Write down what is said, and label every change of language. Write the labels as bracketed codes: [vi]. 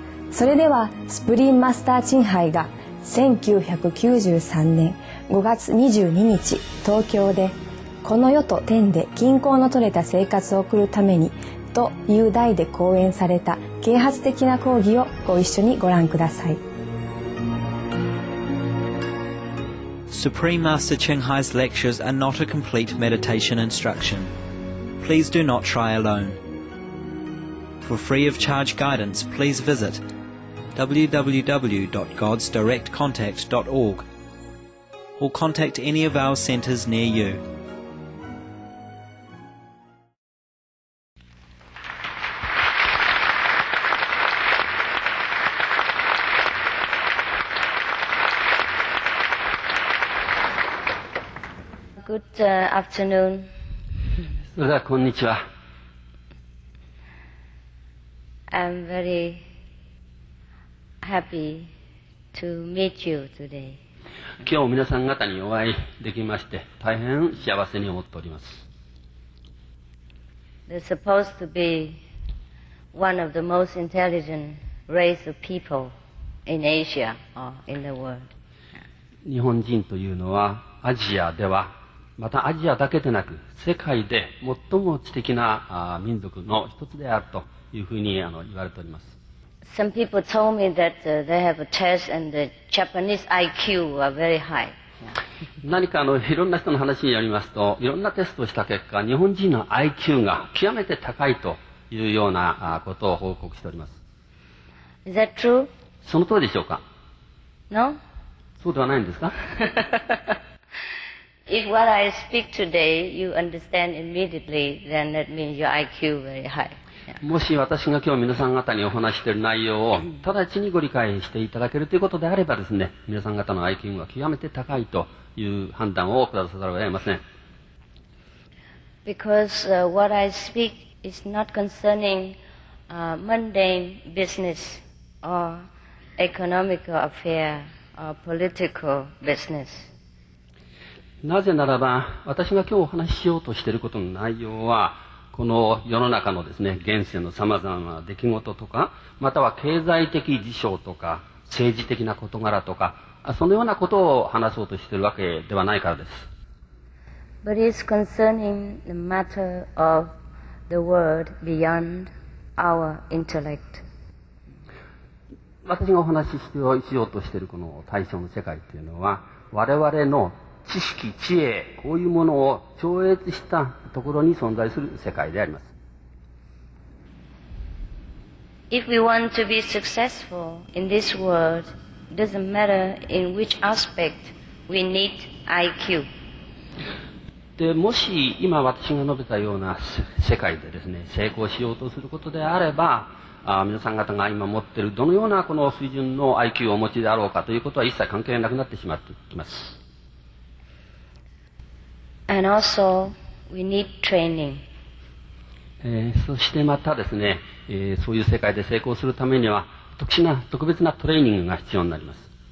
[ja] それではスプリンマスターチンハイが1993年5月22日東京で、この世と天で均衡の取れた生活を送るためにという題で講演された啓発的な講義をご一緒にご覧ください。 [en] Supreme Master Ching Hai's lectures are not a complete meditation instruction. Please do not try alone. For free of charge guidance, please visit www.godsdirectcontact.org or contact any of our centers near you. Afternoon. [ja] それではこんにちは。 [en] I'm very happy to meet you today. [ja] 今日皆さん方にお会いできまして、大変幸せに思っております。 [en] They're supposed to be one of the most intelligent race of people in Asia or in the world. [ja] 日本人というのはアジアでは、またアジアだけでなく世界で最も知的な民族の一つであるというふうに言われております。 [en] Some people told me that they have a test and the Japanese IQ are very high. [ja] 何かいろんな人の話によりますと、いろんなテストをした結果、日本人の IQ が極めて高いというようなことを報告しております。 [en] Is that true? [ja] その通りでしょうか？ [en] No? [ja] そうではないんですか？ [en] If what I speak today, you understand immediately, then that means your IQ is very high.、Yeah. [ja] もし私が今日皆さん方にお話している内容を直ちにご理解していただけるということであればですね、皆さん方の IQ は極めて高いという判断を下さざるを得ません。 [en] Because、what I speak is not concerning、mundane business or economical affair or political business. [ja] なぜならば、私が今日お話ししようとしていることの内容は、この世の中のですね、現世のさまざまな出来事とか、または経済的事象とか、政治的な事柄とか、そのようなことを話そうとしているわけではないからです。 [en] But it's concerning the matter of the world beyond our intellect. [ja] 私がお話ししようとしているこの対象の世界というのは、我々の知識、知恵、こういうものを超越したところに存在する世界であります。 [en] If we want to be successful in this world, it doesn't matter in which aspect we need IQ. [ja] で、もし今私が述べたような世界でですね、成功しようとすることであれば、皆さん方が今持っているどのようなこの水準の IQ をお持ちであろうかということは一切関係なくなってしまっていきます。 [en] And also, we need training. [ja] そしてまたですね、そういう世界で成功するためには特殊な特別なトレーニングが必要になります。